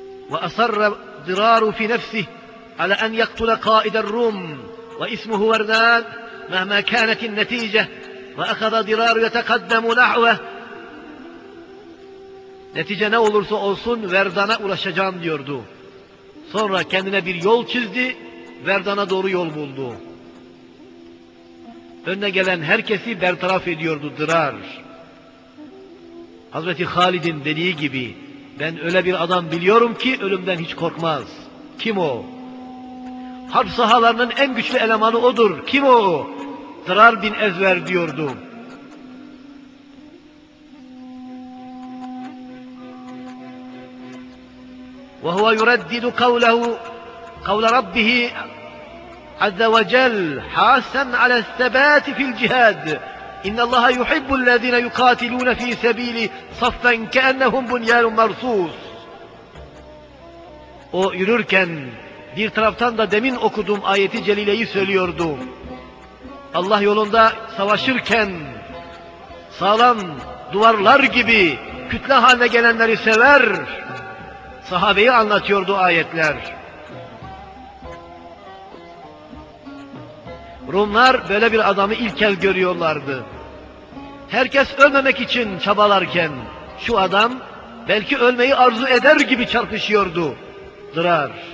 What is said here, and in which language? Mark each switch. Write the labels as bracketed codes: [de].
[ar] وأصر ضرار في نفسه على أن يقتل قائد الروم واسمه وردان مهما كانت النتيجة وأخذ ضرار يتقدم نحوه نتيجة [tr] ne olursa olsun Verdun'a ulaşacağım diyordu. Sonra kendine bir yol çizdi, Verdun'a doğru yol buldu. Önüne gelen herkesi bertaraf ediyordu Dırar. Hazreti Halid'in dediği gibi, ben öyle bir adam biliyorum ki ölümden hiç korkmaz. Kim o? Harp sahalarının en güçlü elemanı odur. Kim o? Dırar bin Ezver diyordu. [ar] Ve huve yureddidu kavlehu kavle rabbihi azze ve cel hasen ala sebati fil cihad. اِنَّ اللّٰهَ يُحِبُّ الَّذ۪ينَ يُقَاتِلُونَ ف۪ي سَب۪يلِ صَفَّنْ كَأَنَّهُمْ بُنْيَانٌ مَرْصُوصٌ [tr] O yürürken bir taraftan da demin okuduğum ayeti celileyi söylüyordu. Allah yolunda savaşırken sağlam duvarlar gibi kütle haline gelenleri sever. Sahabeyi anlatıyordu ayetler. Rumlar böyle bir adamı ilk kez görüyorlardı. Herkes ölmemek için çabalarken şu adam belki ölmeyi arzu eder gibi çarpışıyordu. Dırar.